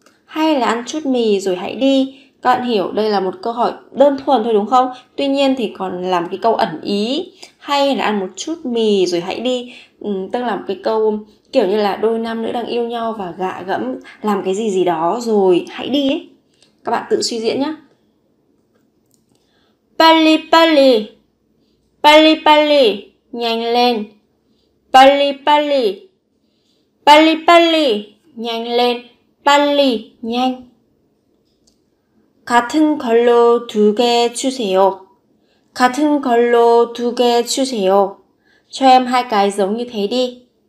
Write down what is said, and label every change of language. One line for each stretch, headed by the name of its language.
Vietnamese: Hay là ăn chút mì rồi hãy đi. Các bạn hiểu đây là một câu hỏi đơn thuần thôi đúng không? Tuy nhiên thì còn làm cái câu ẩn ý. Hay là ăn một chút mì rồi hãy đi. Tức là một cái câu kiểu như là đôi nam nữ đang yêu nhau và gạ gẫm làm cái gì gì đó rồi hãy đi ấy. Các bạn tự suy diễn nhé.
Korean: 빨리 빨리 빨리 빨리
Vietnamese: nhanh lên.
Korean: 빨리 빨리 빨리 빨리
Vietnamese: nhanh lên.
Korean: 빨리
Vietnamese: nhanh.
Korean: 같은 걸로 두 개 주세요. 같은 걸로 두 개 주세요.
Vietnamese: Cho em hai cái giống như thế đi.